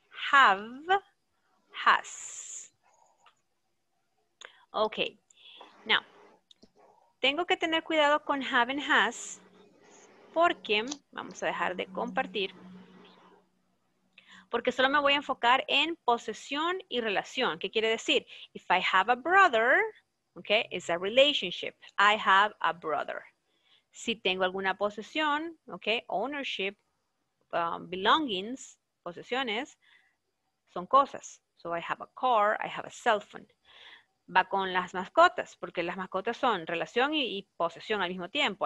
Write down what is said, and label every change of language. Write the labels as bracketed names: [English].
[English] Have, has. Ok. [Spanish] Now, tengo que tener cuidado con have and has porque, vamos a dejar de compartir, porque solo me voy a enfocar en posesión y relación. ¿Qué quiere decir? [English] If I have a brother, okay, it's a relationship. I have a brother. [Spanish] Si tengo alguna posesión, okay, ownership, belongings, posesiones, son cosas. [English] So I have a car, I have a cell phone. [Spanish] Va con las mascotas, porque las mascotas son relación y posesión al mismo tiempo.